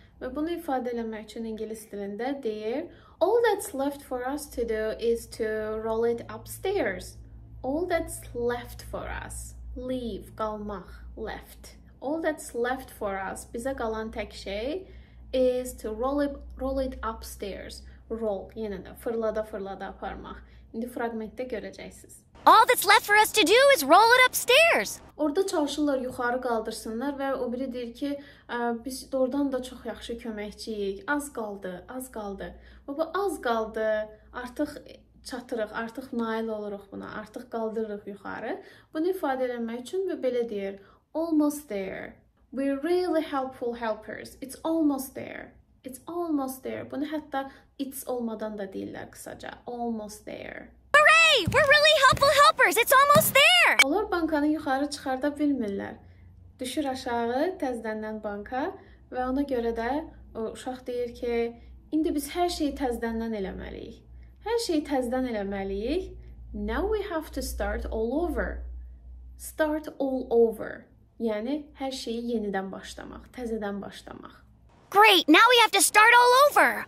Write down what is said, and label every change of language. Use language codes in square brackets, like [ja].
[az] Və bunu ifadə eləmək üçün ingilis dilində deyir, [en] all that's left for us to do is to roll it upstairs. All that's left for us. Leave, [az] qalmaq, [en] left. All that's left for us, [az] bizə qalan tək şey, [en] is to roll it upstairs. [az] Roll, yenə də, fırlada-fırlada aparmaq. İndi fragmentdə görəcəksiniz. [en] All that's left for us to do is roll it upstairs. [az] Orada çalışırlar yuxarı qaldırsınlar və o biri deyir ki, biz doğrudan da çox yaxşı köməkçiyik. Az qaldı, az qaldı. Baba, az qaldı, artıq çatırıq, artıq nail oluruq buna, artıq qaldırırıq yuxarı. Bunu ifadə eləmək üçün və belə deyir, [en] almost there. We're really helpful helpers. It's almost there. It's almost there. [az] Bunu hətta it's olmadan da deyirlər qısaca. [en] Almost there. Hooray! We're really helpful helpers. It's almost there. [az] Onlar bankanı yuxarı çıxarda bilmirlər. düşür aşağı təzdəndən banka və ona görə də o uşaq deyir ki, indi biz hər şeyi təzdəndən eləməliyik. Hər şeyi təzdən eləməliyik. [en] Now we have to start all over. Start all over. [az] Yəni, hər şeyi yenidən başlamaq, təzədən başlamaq. [en] Great, now we have to start all over.